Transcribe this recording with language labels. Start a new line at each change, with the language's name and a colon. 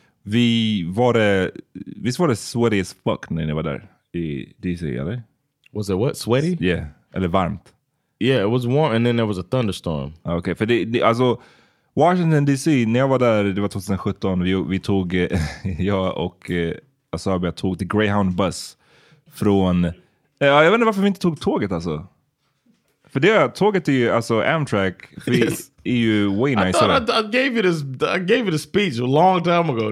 Swedish: Vi var det, visst var det
English: sweaty as fuck
Swedish: när ni var där i DC, eller?
English: Was it what? Sweaty?
Swedish: Yeah, eller varmt.
English: Yeah, it was warm and then there was a thunderstorm.
Swedish: Okay, för det, alltså, Washington DC, när jag var där, det var 2017, vi tog, jag och Asabia tog till Greyhound Bus från, jag vet inte varför vi inte tog tåget, alltså. För det tåget är ju, alltså Amtrak, är ju
English: way nicer. I gave you this speech a long time ago.